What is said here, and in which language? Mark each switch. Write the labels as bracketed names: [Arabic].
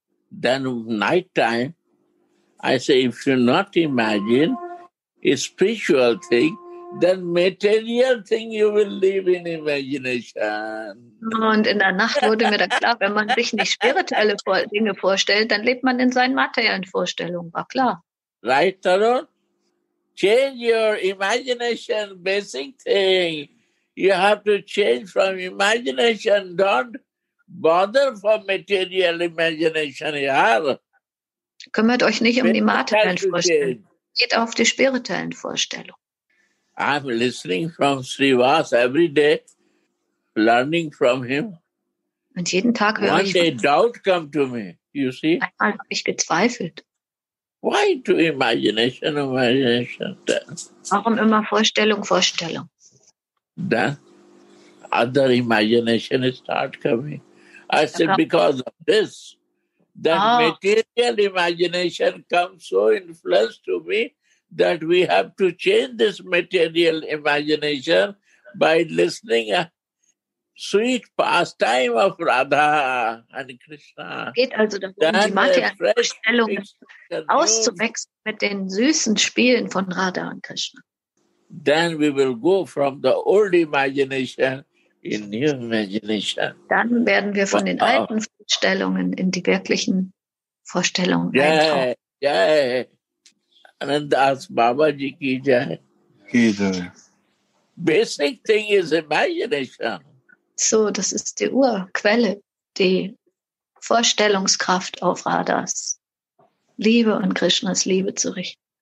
[English] Then night time, I say, if you not imagine a spiritual thing, then material thing you will live in imagination. [German] Und in der Nacht wurde mir dann klar, wenn man sich nicht spirituelle Dinge vorstellt, dann lebt man in seinen materiellen Vorstellungen. War klar. [English] Right, Tarun? Change your imagination basic thing. You have to change from imagination. Don't bother for material imagination, ja? [German] Kümmert euch nicht um die materiellen Vorstellungen. Geht auf die spirituellen Vorstellungen. [English] I'm listening from Srivas every day, learning from him. [German] Und jeden Tag höre [English] One [German] ich [English] day doubt come to me, you see? [German] Einmal habe ich gezweifelt. [English] Why to imagination, imagination? Then? [German] Warum immer Vorstellung, Vorstellung? [English] Then other imagination start coming. I said, because of this. That material imagination comes so influenced to me that we have to change this material imagination by listening a sweet pastime of Radha and Krishna. [German] Geht also darum, die materiellen Vorstellungen auszuwechseln mit den süßen Spielen von Radha und Krishna. [English] Then we will go from the old imagination in new imagination. [German] Dann werden wir von den alten Vorstellungen in die wirklichen Vorstellungen eintauchen. [Hindi] Jai, jai. Anandas Babaji ki jai. Ki jai. [English] Basic thing is imagination. [German] So, das ist die Urquelle, die Vorstellungskraft auf Radhas Liebe und Krishnas Liebe zu richten.